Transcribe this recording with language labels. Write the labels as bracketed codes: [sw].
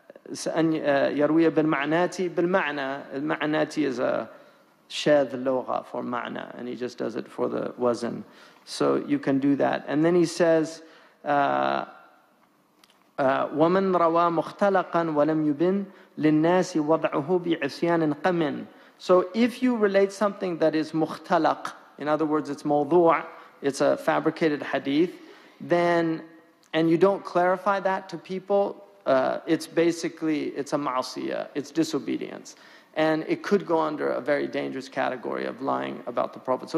[en] Yarwiya bil ma'nati bil ma'na. Ma'nati is a shadh logha for ma'na, and he just does it for the wazan. So you can do that. And then he says, [ar] وَمَنْ رَوَى مُخْتَلَقًا وَلَمْ يُبِنْ لِلنَّاسِ وَضْعُهُ بِعِسْيَانٍ قَمِنْ. [en] So if you relate something that is مُخْتَلَق, in other words, it's موضوع, it's a fabricated hadith, then, and you don't clarify that to people, it's basically, it's a ma'asiyah, it's disobedience. And it could go under a very dangerous category of lying about the Prophet.